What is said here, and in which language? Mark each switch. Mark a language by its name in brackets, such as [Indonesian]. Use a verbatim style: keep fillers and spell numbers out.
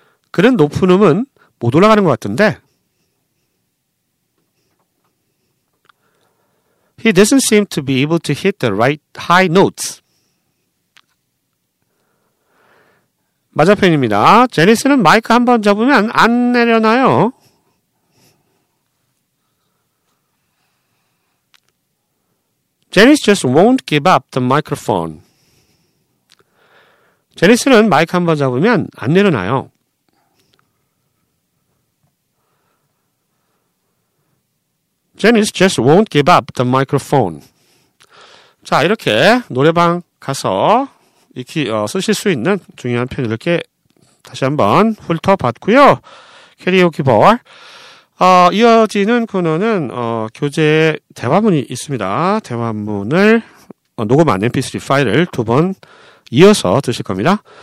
[Korean] 그는 높은 음은 못 올라가는 것 같던데. [English] He doesn't seem to be able to hit the right high notes. [Korean] 맞아 표현입니다. 제니스는 마이크 한번 잡으면 안 내려놔요. [English] Janice just won't give up the microphone. [Korean] 제니스는 마이크 한번 잡으면 안 내려놔요. [English] Janice just won't give up the microphone. [Korean] 자, 이렇게 노래방 가서 익히 어, 쓰실 수 있는 중요한 표현 이렇게 다시 한번 훑어봤고요. 캐리오키 볼. 어, 이어지는 코너는 어, 교재에 대화문이 있습니다. 대화문을 어, 녹음한 엠피쓰리 파일을 두 번 이어서 드실 겁니다.